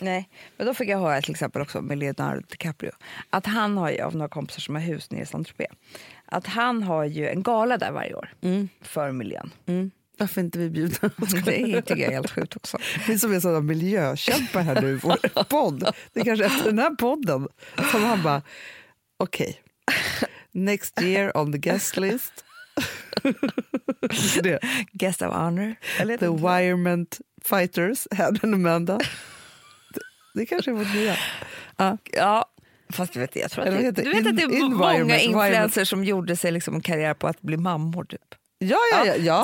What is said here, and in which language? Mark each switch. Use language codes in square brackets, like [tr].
[sv] Nej, men då fick jag höra till exempel också med Leonardo DiCaprio, att han har ju, av några kompisar som har hus nere i Saint-Tropez, att han har ju en gala där varje år för miljön. Mm. Varför inte vi bjuder oss? Det tycker jag är helt sjukt också. Vi som är sådana miljökämpar här nu i vår podd. Det är kanske efter den här podden som han bara, okej. [en] Okay. Next year on the guest list. Det. Guest of honor. The Wireman Fighters, Hedda och Amanda. [sv] Det kanske är vårt nya. Ja. Fast du vet, jag tror att det, du vet att det är många influencers som gjorde sig liksom en karriär på att bli mammor typ. Ja.